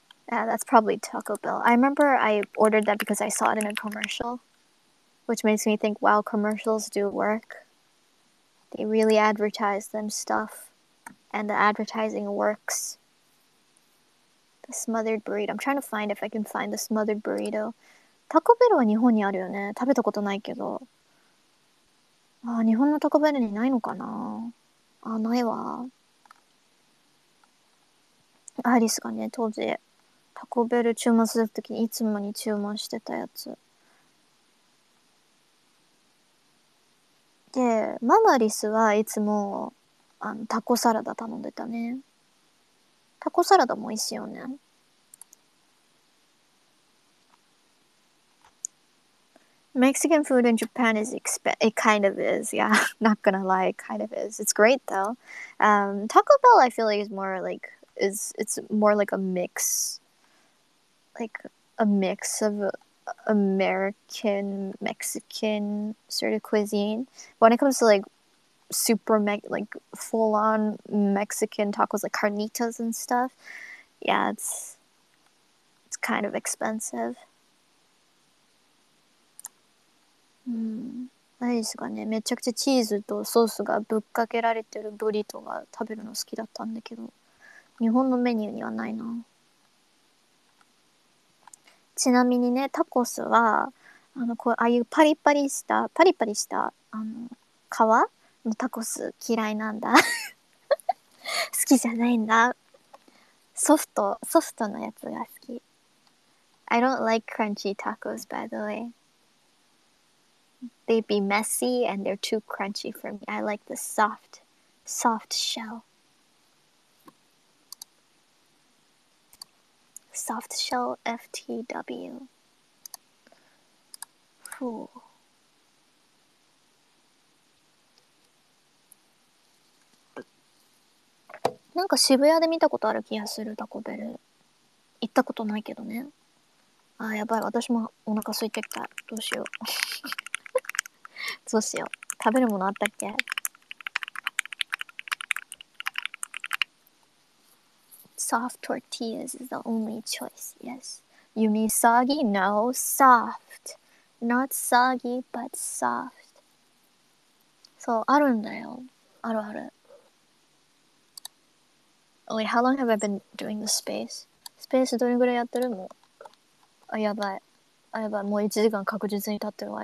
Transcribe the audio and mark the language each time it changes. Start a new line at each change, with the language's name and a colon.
English: Yeah, that's probably Taco Bell. I remember I ordered that because I saw it in a commercial, which makes me think, wow, commercials do work. They really advertise them stuff. And the advertising works. The smothered burrito. I'm trying to find if I can find the smothered burrito.
Japanese: Taco Bell は日本にあるよね。食べたことないけど。ああ、日本の Taco Bell にないのかな。ああ、ないわ。アイリスがね、当時 Taco Bell 注文するときにいつもに注文してたやつ。で、ママリスはいつも。あのタコサラダ頼んでたね。タコサラダも美味しいよね。
English: Mexican food in Japan is it kind of is, yeah, not gonna lie, it kind of is. It's great though. Taco Bell I feel like it's more like a mix of American, Mexican sort of cuisine. When it comes to likeSuper full-on Mexican tacos, like carnitas and stuff. Yeah, it's kind of expensive.
Japanese: あれですかね、めちゃくちゃチーズとソースがぶっかけられてるブリトが食べるの好きだったんだけど、日本のメニューにはないな。ちなみにね、タコスはあのこうああいうパリパリしたあの皮タコス嫌いなんだ好きじゃないんだ。ソフトのやつが好き。
English: I don't like crunchy tacos, by the way. They'd be messy and they're too crunchy for me. I like the soft shell. Soft shell FTW. Phew.
Japanese: なんか渋谷で見たことある気がする。タコベル行ったことないけどね。あーやばい、私もお腹空いてきた。どうしようどうしよう、食べるものあったっけ。
English: ソフトティーヤーズ is the only choice. Yes. You mean soggy? No, soft. Not soggy, but soft.
Japanese: そう、あるんだよ。あるある。
English: Wait, how long have I been doing the space?
Japanese: Space どれぐらいやってるの？あ、やばい。あ、やばい。もう1時間確実に経ってるわ。